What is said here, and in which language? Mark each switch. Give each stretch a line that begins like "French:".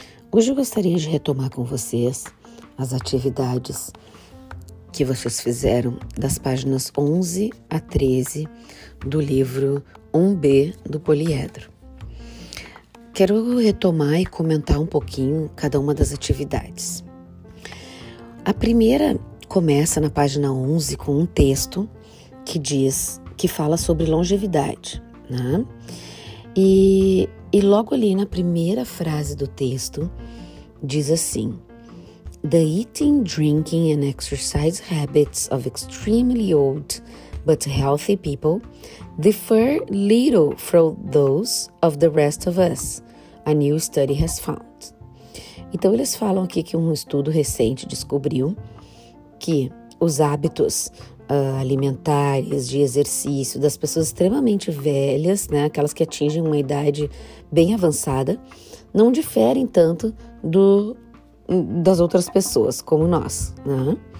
Portuguese: Hoje eu gostaria de retomar com vocês as atividades que vocês fizeram das páginas 11 a 13 do livro 1B do Poliedro. Quero retomar e comentar um pouquinho cada uma das atividades. A primeira começa na página 11 com um texto que diz, que fala sobre longevidade, né? E logo ali na primeira frase do texto, diz assim:
English: "The eating, drinking and exercise habits of extremely old but healthy people differ little from those of the rest of us, a new study has found."
Portuguese: Então eles falam aqui que um estudo recente descobriu que os hábitos alimentares, de exercício, das pessoas extremamente velhas, né, aquelas que atingem uma idade bem avançada, não diferem tanto das outras pessoas, como nós, né?